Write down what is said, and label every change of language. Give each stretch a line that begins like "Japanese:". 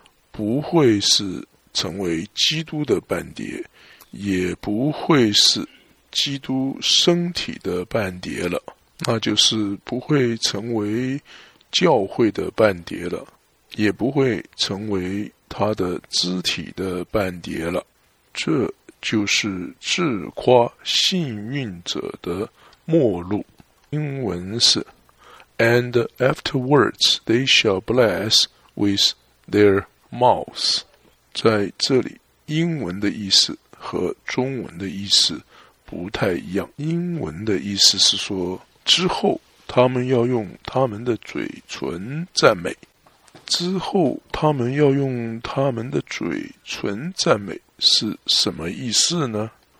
Chinese: 不会是成为基督的绊碟，也不会是基督身体的绊碟了，那就是不会成为教会的绊碟了，也不会成为他的肢体的绊碟了。这就是自夸幸运者的末路。
English: 英文是 And afterwards they shall bless with their mouths。
Chinese: 在这里英文的意思和中文的意思不太一样，英文的意思是说之后他们要用他们的嘴唇赞美。之后他们要用他们的嘴唇赞美是什么意思呢？